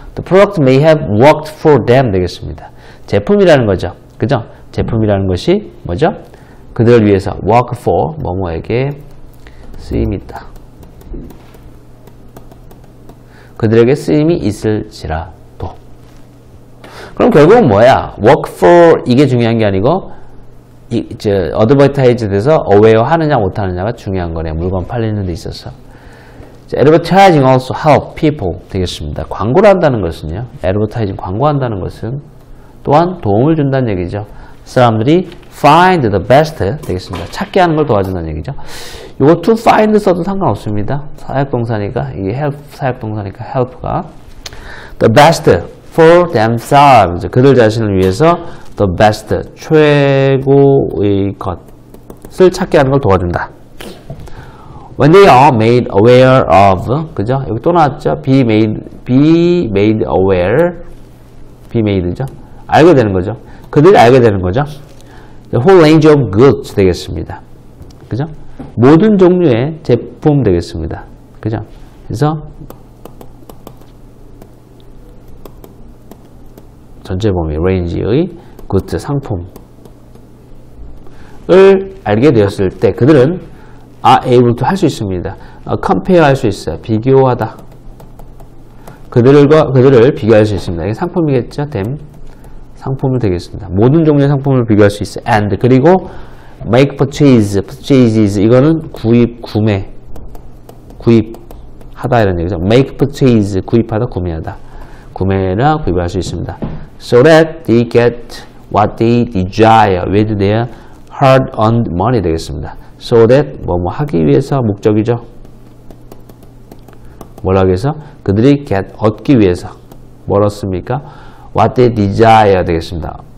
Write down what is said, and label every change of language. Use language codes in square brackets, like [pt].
[en] The product may have worked for them [ko] 되겠습니다. 제품이라는 거죠. 그죠? 제품이라는 것이 뭐죠? 그들을 위해서 work for 뭐뭐에게 쓰임있다. 그들에게 쓰임이 있을지라도. 그럼 결국은 뭐야? [en] work for [ko] 이게 중요한 게 아니고 advertise 돼서 aware 하느냐 못하느냐가 중요한 거네. 물건 팔리는 데 있어서. [en] Advertising also help people [ko] 되겠습니다. 광고를 한다는 것은요. Advertising 광고한다는 것은 또한 도움을 준다는 얘기죠. 사람들이 [en] find the best [ko] 되겠습니다. 찾게 하는 걸 도와준다는 얘기죠. 이거 to find 써도 상관없습니다. 사역동사니까 이게 help 사역동사니까 help가 [en] the best for themselves [ko] 그들 자신을 위해서 the best 최고의 것을 찾게 하는 걸 도와준다. [en] When they are made aware of, [ko] 그죠? 여기 또 나왔죠? [en] Be made aware. [ko] Be made죠? 알게 되는 거죠? 그들이 알게 되는 거죠? [en] The whole range of goods [ko] 되겠습니다. 그죠? 모든 종류의 제품 되겠습니다. 그죠? 그래서, 전체 범위, range의 goods, 상품을 알게 되었을 때, 그들은 [en] are able to [ko] 할 수 있습니다. compare 할 수 있어요. 비교하다. 그들을 비교할 수 있습니다. 이게 상품이겠죠? them. 상품이 되겠습니다. 모든 종류의 상품을 비교할 수 있어요. [en] and. [ko] 그리고 [en] make purchase. [ko] purchases. 이거는 구입, 구매. 구입하다. 이런 얘기죠. [en] make purchase. [ko] 구입하다, 구매하다. 구매나 구입할 수 있습니다. [en] so that they get what they desire with their hard earned money [ko] 되겠습니다. So that, 뭐뭐 하기 위해서 목적이죠. 뭘 하기 위해서? 그들이 get, 얻기 위해서. 뭘 얻습니까? [en] What they desire [ko] 되겠습니다.